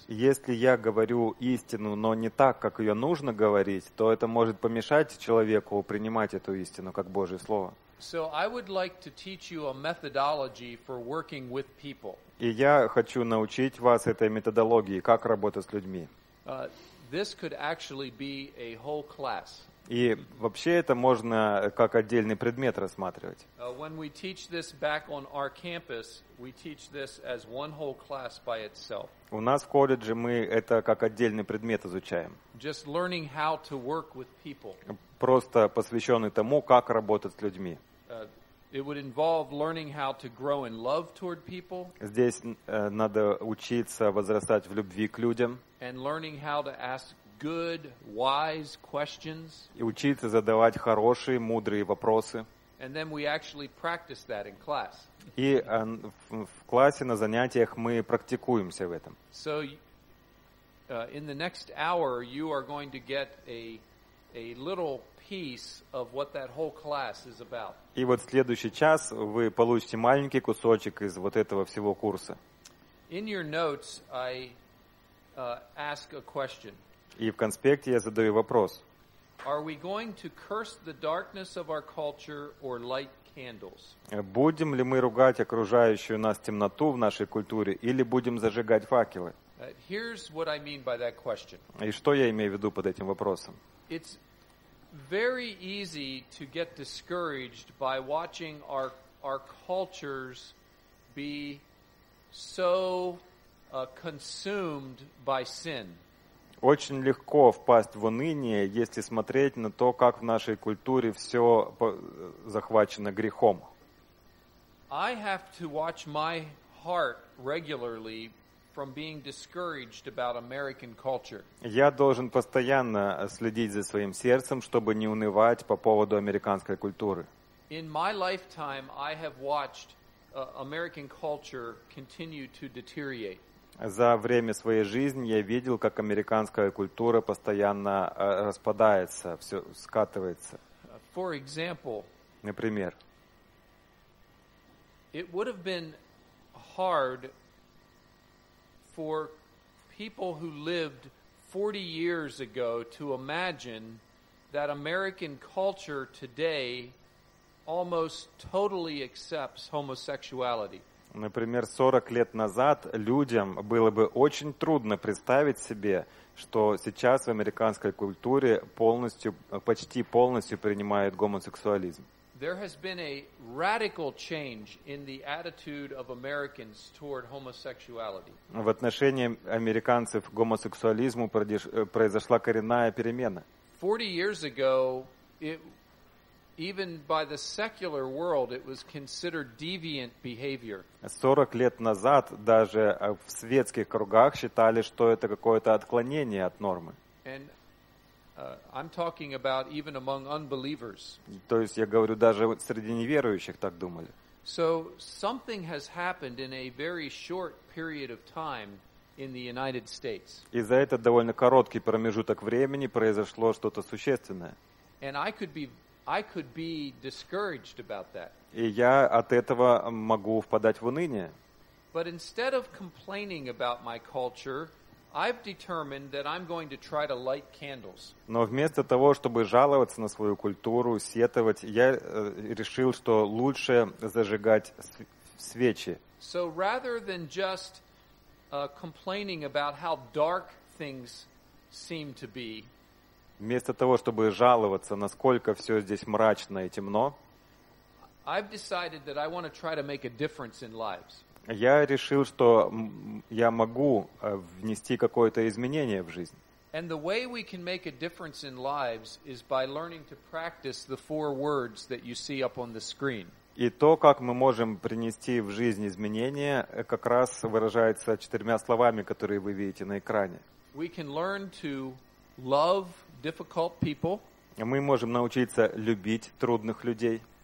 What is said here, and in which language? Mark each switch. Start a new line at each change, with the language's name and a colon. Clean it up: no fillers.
Russian: Если я говорю истину, но не так, как её нужно говорить, то это может помешать человеку принимать эту истину как Божье слово.
English: So I would like to teach you a methodology for working with people.
Russian: И я хочу научить вас этой методологии, как работать с людьми.
English: This could actually be a whole class.
Russian: И вообще это можно как отдельный предмет рассматривать.
English: When we teach this back on our campus, we teach this as one whole class by itself.
Russian: У нас в колледже мы это как отдельный предмет изучаем.
English: Just learning how to work with people.
Russian: Просто посвящённый тому, как работать с людьми.
English: It would involve learning how to grow in love toward people.
Russian: Здесь надо учиться возрастать в любви к людям.
English: And learning how to ask good, wise questions.
Russian: И учиться задавать хорошие, мудрые вопросы.
English: And then we actually practice that in class.
Russian: И в классе на занятиях мы практикуемся в этом.
English: So in the next hour you are going to get a little piece of what that whole class is about.
Russian: И вот в следующий час вы получите маленький кусочек из вот этого всего курса.
English: In your notes I ask a question.
Russian: И в конспекте я задаю вопрос.
English: Are we going to curse the darkness of our culture or light candles?
Russian: Будем ли мы ругать окружающую нас темноту в нашей культуре или будем зажигать факелы?
English: Here's what I mean by that question.
Russian: И что я имею в виду под этим вопросом?
English: It's very easy to get discouraged by watching our cultures be so consumed by sin.
Russian: Очень легко впасть в уныние, если смотреть на то, как в нашей культуре всё захвачено грехом.
English: I have to watch my heart regularly from being discouraged about American culture.
Russian: Я должен постоянно следить за своим сердцем, чтобы не унывать по поводу американской культуры.
English: In my lifetime I have watched American culture continue to deteriorate.
Russian: За время своей жизни я видел, как американская культура постоянно распадается, всё скатывается.
English: For example,
Russian: например,
English: it would have been hard for people who lived 40 years ago to imagine that American culture today almost totally accepts homosexuality.
Russian: Например, 40 лет назад людям было бы очень трудно представить себе, что сейчас в американской культуре почти полностью принимают гомосексуализм.
English: There has been a radical change in the attitude of Americans toward homosexuality.
Russian: В отношении американцев к гомосексуализму произошла коренная перемена.
English: 40 years ago, even by the secular world, it was considered deviant behavior.
Russian: 40 лет назад даже в светских кругах считали, что это какое-то отклонение от нормы.
English: And I'm talking about even among unbelievers.
Russian: То есть я говорю, даже вот среди неверующих так думали.
English: So something has happened in a very short period of time in the United States.
Russian: И за этот довольно короткий промежуток времени произошло что-то существенное.
English: And I could be discouraged about that.
Russian: И я от этого могу впадать в уныние.
English: But instead of complaining about my culture, I've determined that I'm going to try to light candles.
Russian: Но вместо того, чтобы жаловаться на свою культуру, сетовать, я решил, что лучше зажигать свечи.
English: So rather than just complaining about how dark things seem to be,
Russian: вместо того, чтобы жаловаться, насколько все здесь мрачно и темно,
English: I've decided that I want to try to make a difference in lives.
Russian: Я решил, что я могу внести какое-то изменение в жизнь.
English: And the way we can make a difference in lives is by learning to practice the four words that you see up on the screen.
Russian: И то, как мы можем принести в жизнь изменения, как раз выражается четырьмя словами, которые вы видите на экране.
English: We can learn to love difficult people.
Russian: Мы можем научиться любить трудных людей.